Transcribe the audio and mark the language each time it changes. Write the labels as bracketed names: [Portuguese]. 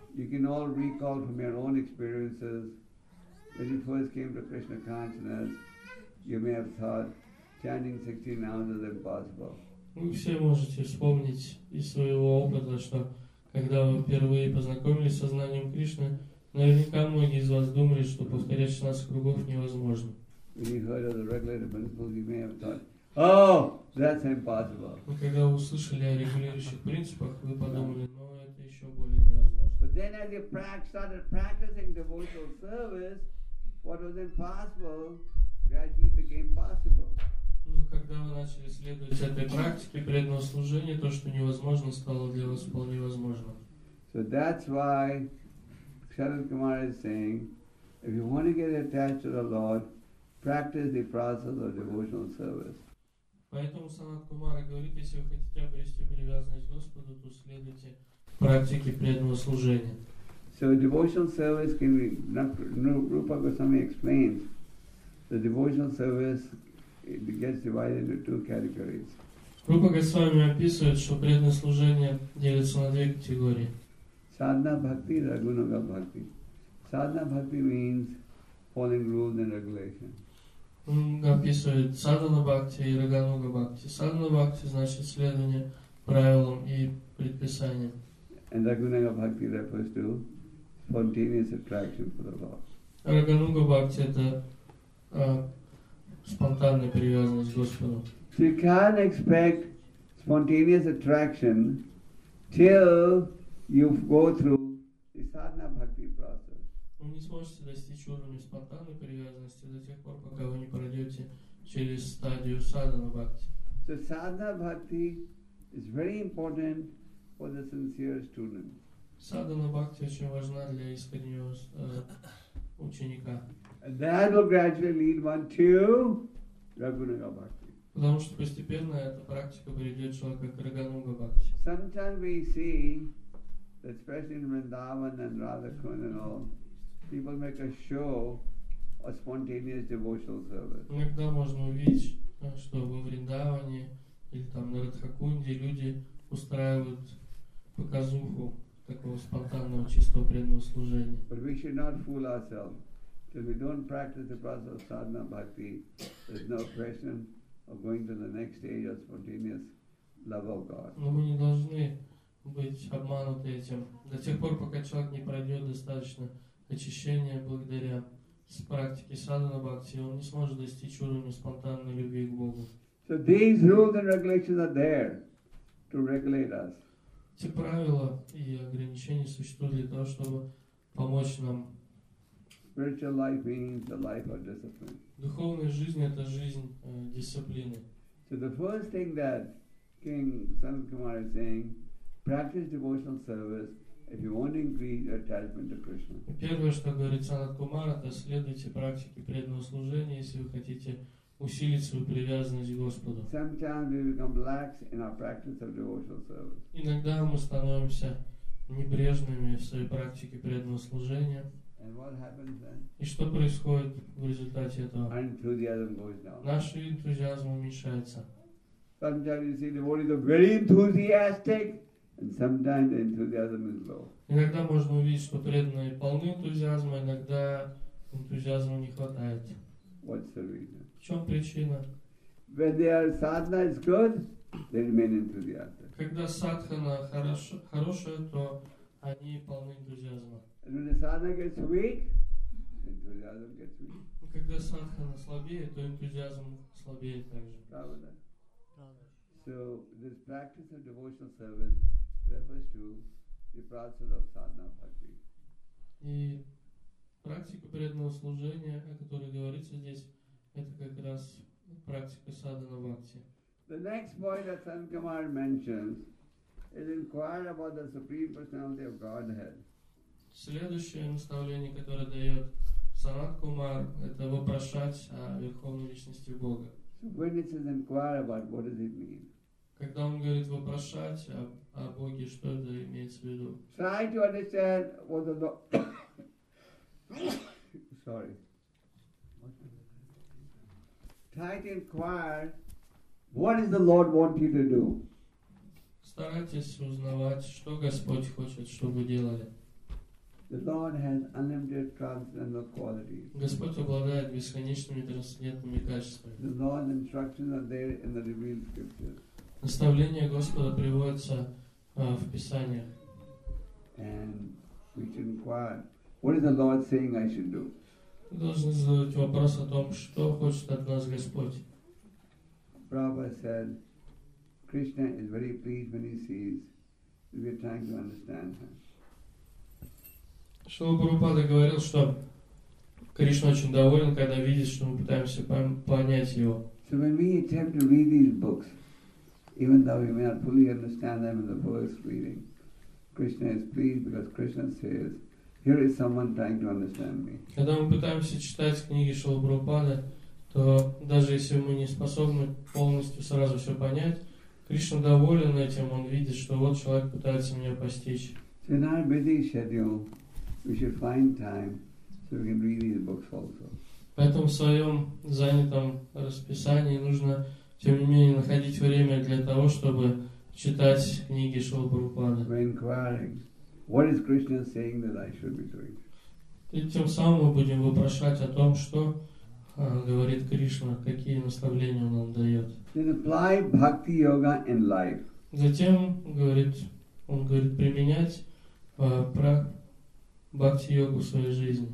[English] You can all recall from your own experiences. When you first came to Krishna consciousness, you may have thought chanting 16 hours is impossible. [Russian] Вы все можете вспомнить из своего опыта, что когда вы впервые познакомились с сознанием Кришны, наверняка многие из вас думали, что повторять 16 кругов невозможно. [English] When you heard of the regulated principles, you may have thought, oh, that's impossible. [Russian] Но когда вы услышали о регулирующих принципах, вы подумали, ну это еще более невозможно. [English] But then as you started practicing devotional service, what was impossible gradually became possible. [Russian] Ну, когда вы начали следовать этой практике преданного служения, то, что невозможно, стало для вас вполне возможным. [English] So that's why Sharad Kumar is saying, if you want to get attached to the Lord, practice the process of devotional service. [Russian] Поэтому Санат Кумара говорит, если вы хотите обрести привязанность к Господу, то следуйте практике преданного служения. [English] So devotional service can be, Rupa Goswami explains, the devotional service, it gets divided into two categories. [Russian] Rupa Goswami описывает, что преданное служение делится на две категории. [English] Sadhana bhakti, ragunaga bhakti. Sadhana bhakti means following rules and regulations. [Russian] Описывает садхана бхакти и рагануга бхакти. Садхана бхакти значит следование правилам и предписаниям. [English] And рагунага бхакти refers to spontaneous attraction for the Lord. [Russian] Рагануга бхакти это спонтанная привязанность к Господу. [English] So you can't expect spontaneous attraction till you go through the sadhana bhakti process. [Russian] Вы не сможете достичь уровня спонтанной привязанности до тех пор, пока вы не пройдете через стадию садхана бхакти. [English] So sadhana bhakti is very important for the sincere student. [Russian] Sadhana bhakti очень важна для искреннего ученика. [English] And that will gradually lead one to Raghunuga Bhakti. [Russian] Потому что постепенно эта практика приведет человека к Рагануга Бхакти. [English] Sometimes we see, especially in Vrindavan and Radhakun and all, people make a show of spontaneous devotional service. [Russian] Иногда можно увидеть, что во Вриндаване или там на Радхакунде люди устраивают показуху такого спонтанного чистого преданного служения. [English] But we should not fool ourselves. If we don't practice the process of sadhana bhakti, there's no question of going to the next stage of spontaneous love of God. [Russian] Но мы не должны быть обмануты этим. До тех пор, пока человек не пройдет достаточно очищения благодаря практике садхана бхакти, он не сможет достичь уровня спонтанной любви к Богу. [English] So these rules and regulations are there to regulate us. [Russian] Эти правила и ограничения существуют для того, чтобы помочь нам. [English] Spiritual life means the life of discipline. [Russian] Духовная жизнь это жизнь дисциплины. [English] So the first thing that King Sanat Kumar is saying, practice devotional service if you want to increase your attachment to Krishna. [Russian] Первое, что говорит Санат Кумар, это следуйте практике преданного служения, если вы хотите усилить свою привязанность к Господу. [English] Sometimes we become lax in our practice of devotional service. [Russian] Иногда мы становимся небрежными в своей практике преданного служения. [English] And what happens then? [Russian] И что происходит в результате этого? [English] Our enthusiasm goes down. [Russian] Наш энтузиазм уменьшается. [English] Sometimes you see the devotees are very enthusiastic, And sometimes the enthusiasm is low. [Russian] Иногда можно увидеть, что преданные полны энтузиазма, иногда энтузиазма не хватает. [English] What's the reason? [Russian] В чем причина? [English] When their sadhana is good, they remain enthusiastic. [Russian] Когда садхана хорошая, то они полны энтузиазма. [English] And when the sadhana gets weak, enthusiasm gets weak. [Russian] Когда садхана слабее, то энтузиазм слабеет также. Правда. [English] So this practice of devotional service refers to the process of sadhana bhakti. [Russian] И практика преданного служения, о которой говорится здесь, это как раз практика садхана бхакти. [English] The next point that Sanat Kumar mentions is inquire about the Supreme Personality of Godhead. [Russian] Следующее наставление, которое дает Санат Кумар, это вопрошать о Верховной Личности Бога. [English] So when it says inquire about, what does it mean? [Russian] Когда он говорит вопрошать о Боге, что это имеется в виду? [English] Try to understand what the Lord... Sorry. Try to inquire what does the Lord want you to do? [Russian] Старайтесь узнавать, что Господь хочет, чтобы вы делали. [English] The Lord has unlimited transcendental qualities. [Russian] Господь обладает бесконечными трансцендентными качествами. [English] The Lord's instructions are there in the revealed scriptures. [Russian] Наставления Господа приводятся в Писаниях. [English] And we should inquire, what is the Lord saying I should do? [Russian] Мы должны задать вопрос о том, что хочет от нас Господь. [English] Prabhupada said, Krishna is very pleased when he sees we are trying to understand him. [Russian] Шрила Прабхупада говорил, что Кришна очень доволен, когда видит, что мы пытаемся понять его. [English] So when we attempt to read these books, even though we may not fully understand them in the first reading, Krishna is pleased because Krishna says, here is someone trying to understand me. [Russian] Когда мы пытаемся читать книги Шрила Прабхупады, то даже если мы не способны полностью сразу все понять, Кришна доволен этим, он видит, что вот человек пытается меня постичь. [English] So in our busy schedule, we should find time so we can read these books also. [Russian] Поэтому в своем занятом расписании нужно, тем не менее, находить время для того, чтобы читать книги Шрила Прабхупады. [English] We're inquiring, what is Krishna saying that I should be doing? [Russian] И тем самым мы будем вопрошать о том, что говорит Кришна, какие наставления он нам дает. [English] Then apply bhakti yoga in life. [Russian] Затем говорит, он говорит применять бхакти-йогу в своей жизни.